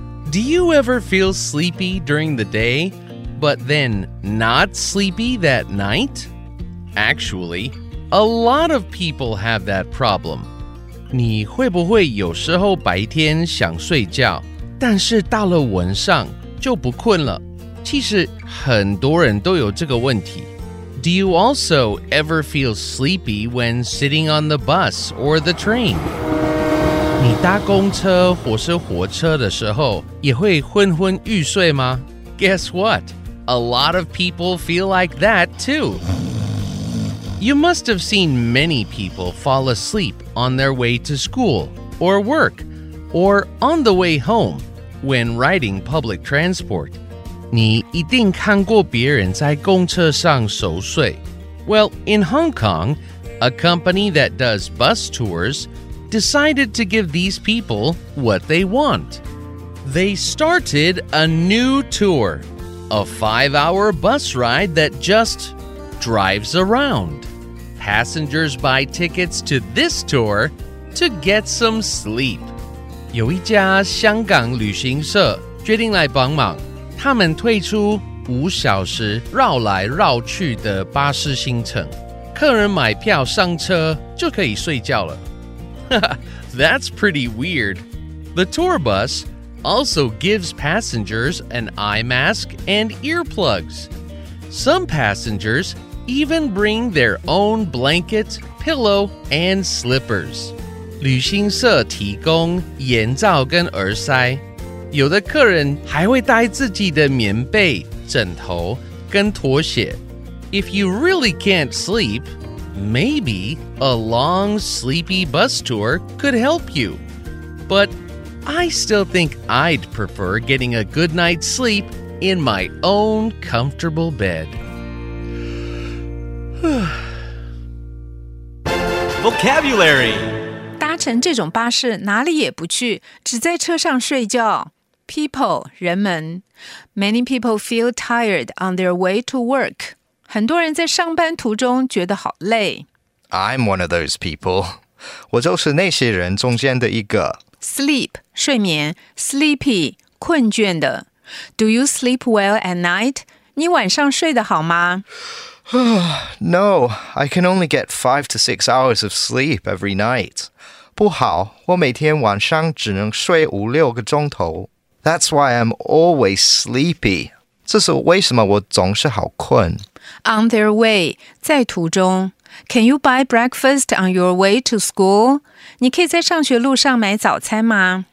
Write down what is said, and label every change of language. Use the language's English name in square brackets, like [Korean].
[English] Do you ever feel sleepy during the day, but then not sleepy that night? Actually, a lot of people have that problem. [Chinese] 你会不会有时候白天想睡觉，但是到了晚上就不困了？其实很多人都有这个问题。 [English] Do you also ever feel sleepy when sitting on the bus or the train? [Chinese] 你搭公车或是火车的时候也会昏昏欲睡吗？ [English] Guess what? A lot of people feel like that too. You must have seen many people fall asleep on their way to school or work or on the way home when riding public transport. [Chinese] 你一定看过别人在公车上熟睡。 [English] Well, in Hong Kong, a company that does bus tours decided to give these people what they want. They started a new tour, a 5-hour bus ride that just drives around. Passengers buy tickets to this tour to get some sleep. [Chinese] 有一家香港旅行社决定来帮忙。他们推出五小时绕来绕去的巴士行程，客人买票上车就可以睡觉了。 [English] That's pretty weird. The tour bus also gives passengers an eye mask and earplugs. Some passengers even bring their own blanket, pillow, and slippers. [Chinese] 旅行社提供眼罩跟耳塞。有的客人还会带自己的棉被、枕头跟拖鞋。 [English] If you really can't sleep, maybe a long sleepy bus tour could help you. But I still think I'd prefer getting a good night's sleep in my own comfortable bed. Vocabulary. [Chinese] 搭乘这种巴士哪里也不去，只在车上睡觉。 [English] People, 人们。 Many people feel tired on their way to work. [Chinese] 很多人在上班途中觉得好累。 [English] I'm one of those people. [Chinese] 我就是那些人中间的一个。 [English] Sleep, 睡眠。Sleepy, 困倦的。 Do you sleep well at night? [Chinese] 你晚上睡得好吗？ [English] No, I can only get 5 to 6 hours of sleep every night. [Chinese] 不好，我每天晚上只能睡五六个钟头。 [English] That's why I'm always sleepy. [Chinese] 这是为什么我总是好困。 [English] On their way, 在途中。 Can you buy breakfast on your way to school? [Chinese] 你可以在上学路上买早餐吗？